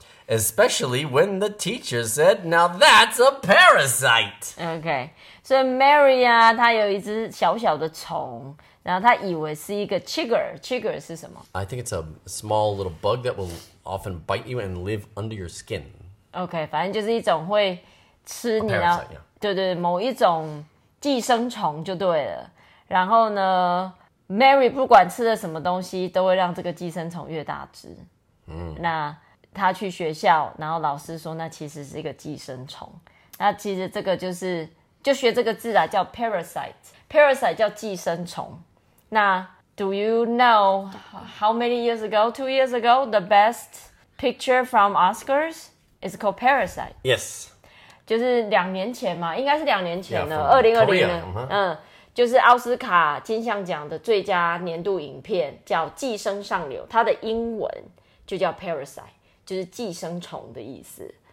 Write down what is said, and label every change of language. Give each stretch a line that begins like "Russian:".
English: Especially when the teacher said, now that's a parasite!
Chinese: Okay, so Mary, 她有一只小小的虫，然后她以为是一个 chigger. Chigger 是什么？
English: I think it's a small little bug that will often bite you and live under your skin.
Chinese: Okay, 反正就是一种会吃你
English: 的 parasite, yeah.
Chinese: 对对，某一种寄生虫就对了。然后呢 ，Mary 不管吃了什么东西，都会让这个寄生虫越大只。那他去学校，然后老师说，那其实是一个寄生虫。那其实这个就是，就学这个字啊，叫 parasite。 parasite 叫寄生虫。
English: 那 Do you know how many years ago, 2 years ago, the best picture from Oscars is called Parasite? Yes.
Chinese: 就是两年前嘛，应该是两年前了，2020年，嗯，就是奥斯卡金像奖的最佳年度影片叫《寄生上流》，它的英文就叫 Parasite， 就是寄生虫的意思。